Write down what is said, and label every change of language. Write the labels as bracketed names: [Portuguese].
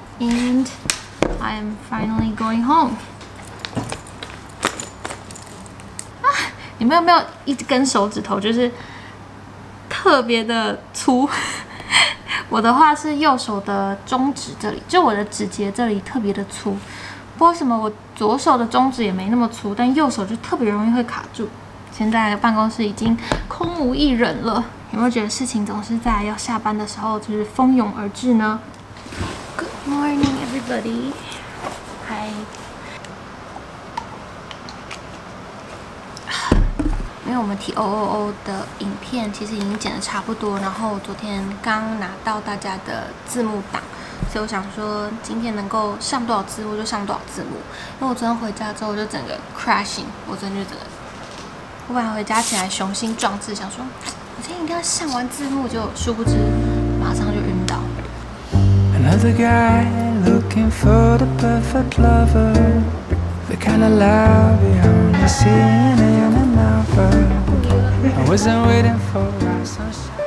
[English] and I am finally going home. [Chinese] 啊，你们有没有一根手指头就是特别的粗？我的话是右手的中指这里，就我的指节这里特别的粗。不过什么，我左手的中指也没那么粗，但右手就特别容易会卡住。现在办公室已经空无一人了。有没有觉得事情总是在要下班的时候就是蜂拥而至呢？ [English] Good morning, everybody. Hi. [Chinese] 因为我们提 OOO 的影片其实已经剪得差不多，然后昨天刚拿到大家的字幕档，所以我想说今天能够上多少字幕就上多少字幕。因为我昨天回家之后就整个 crashing， 我真的就整个，我本来回家起来雄心壮志，想说今天一定要上完字幕，就殊不知马上就晕倒。 [English] Another guy looking for the perfect lover, the kind of love you only see in another. I wasn't waiting for my sunshine.